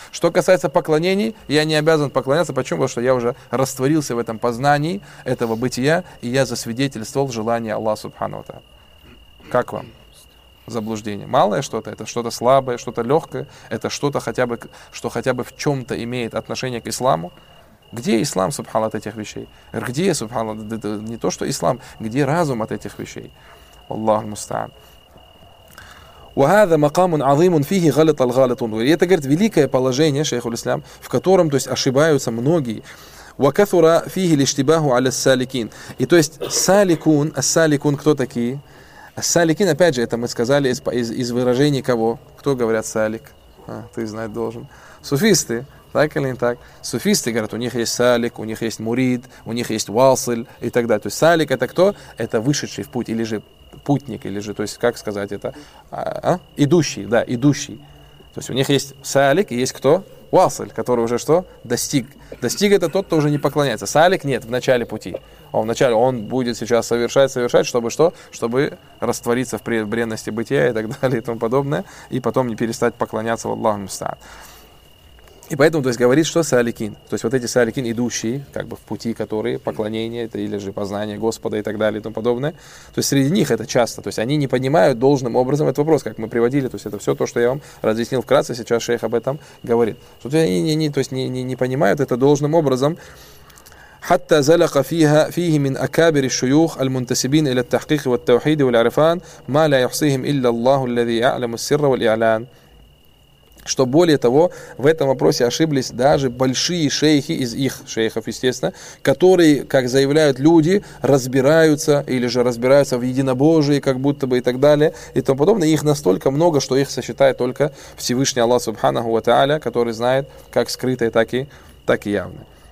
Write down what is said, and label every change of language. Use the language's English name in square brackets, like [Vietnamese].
[Russian] Что касается поклонений, я не обязан поклоняться. Почему? Потому что я уже растворился в этом познании, этого бытия, и я засвидетельствовал желание Аллаха Субхану ва Тааля. Как вам? Заблуждение. Малое что-то, это что-то слабое, что-то легкое, это что-то хотя бы, что хотя бы в чем-то имеет отношение к исламу. Где ислам, субхан, от этих вещей? Где, субхан, не то, что ислам, где разум от этих вещей? [Arabic] Аллах мустаан. وهذا مقام عظيم فيه غلط الغالطون. [Russian] И это, говорит, великое положение, шейху ислам, в котором, то есть, ошибаются многие. [Arabic] وكثر فيه الاشتباه على السالكين. [Russian] И то есть, саликун, ас-саликун, кто такие? Ас-саликин, опять же, это мы сказали из выражений кого? Кто говорят салик? А, ты знать должен. Суфисты. Так или не так? Суфисты говорят, у них есть салик, у них есть мурид, у них есть васль и так далее. То есть салик это кто? Это вышедший в путь, или же путник, или же, то есть как сказать это? Идущий, да, идущий. То есть у них есть салик и есть кто? Васль, который уже что? Достиг. Достиг это тот, кто уже не поклоняется. Салик нет, в начале пути. Он вначале, он будет сейчас совершать, чтобы что? Чтобы раствориться в бренности бытия и так далее и тому подобное, и потом не перестать поклоняться Аллаху Мустан. И поэтому, то есть, говорит, что саликин, то есть, вот эти саликин, идущие, как бы, в пути, которые, поклонение, это, или же познание Господа и так далее и тому подобное, то есть, среди них это часто, то есть, они не понимают должным образом этот вопрос, как мы приводили, то есть, это все то, что я вам разъяснил вкратце, сейчас шейх об этом говорит, что они не понимают это должным образом. [Arabic] حتى زلق فيها فيه من أكابر الشيوخ المنتسبين إلى التحقيق والتوحيد والعرفان ما لا يحصيهم إلا الله الذي يعلم السر والإعلان. [Russian] Что более того, в этом вопросе ошиблись даже большие шейхи из их шейхов, естественно, которые, как заявляют люди, разбираются или же разбираются в единобожии, как будто бы и так далее и тому подобное. Их настолько много, что их сосчитает только Всевышний Аллах Субханаху ва Тааля, который знает как скрытое, так и явное.